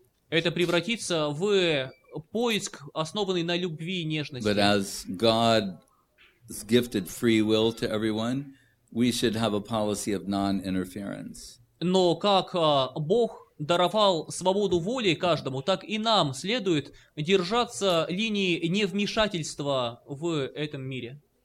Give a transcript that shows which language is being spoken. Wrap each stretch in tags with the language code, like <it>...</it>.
<ru>это превратится в поиск, основанный на любви и нежности.</ru> <en>But as God has gifted free will to everyone, we should have a policy of non-interference.</en> <ru>Но как Бог даровал свободу воли каждому, так и нам следует держаться линии невмешательства в этом мире.</ru>